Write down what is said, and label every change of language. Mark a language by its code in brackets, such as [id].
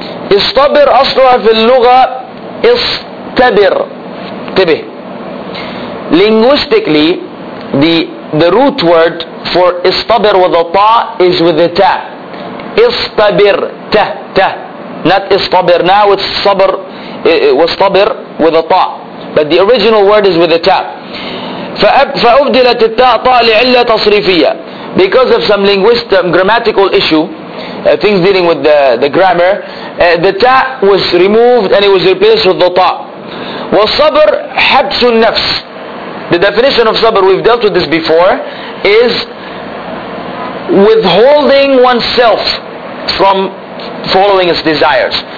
[ar] اصطبر أصلها في اللغة اصطبر. تبه. [en] Linguistically, the root word for istabir with a ta is with a ta. Istabir, ta, ta. Not istabir, now it's sabr, wastabir with a ta. But the original word is with a ta. [ar] فأبدلت التاء طاء لعلة تصريفية. [en] Because of some linguistic grammatical issue, things dealing with the grammar, the ta was removed and it was replaced with the ta. [ar] والصبر حبس النفس. [en] The definition of sabr, we've dealt with this before, is withholding oneself from following its desires.